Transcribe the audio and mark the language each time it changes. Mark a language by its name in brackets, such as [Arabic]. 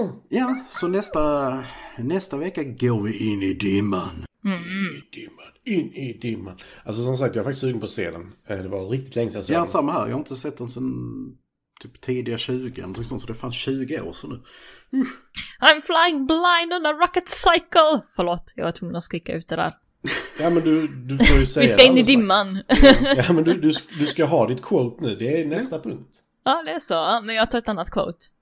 [Swedish] Ja, så nästa vecka går vi in i dimman. In i dimman. Alltså som sagt, jag är faktiskt sugen på att se den. Det var riktigt länge sedan jag såg den. Ja, samma här. Jag har inte sett den sedan typ tidiga 20, så det är fan 20 år sedan nu. [English] I'm flying blind on a rocket cycle. [Swedish] Förlåt, jag var tvungen att skrika ut det där. Ja, men du får ju säga vi ska in i dimman. Ja, men du ska ha ditt quote nu. Det är nästa punkt. Ja, det är så. Men jag tar ett annat quote.